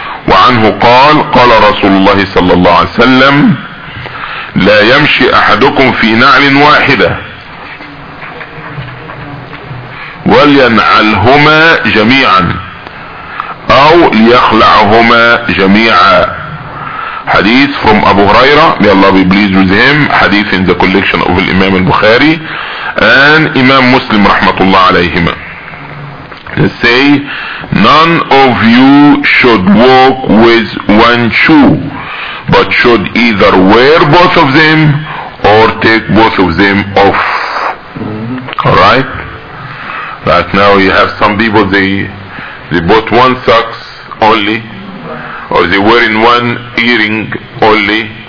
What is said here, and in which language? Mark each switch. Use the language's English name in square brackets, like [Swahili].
[Arabic] وعنه قال قال رسول الله صلى الله عليه وسلم لا يمشي أحدكم في نعل واحدة ولينعلهما جميعا أو ليخلعهما جميعا. [English] حديث from أبو هريرة may Allah be pleased with him. حديث in the collection of الإمام البخاري and إمام مسلم [Arabic] رحمة الله عليهما. [English] They say, none of you should walk with one shoe, but should either wear both of them or take both of them off. Alright? Right now you have some people, they bought one socks only, or they wearing one earring only.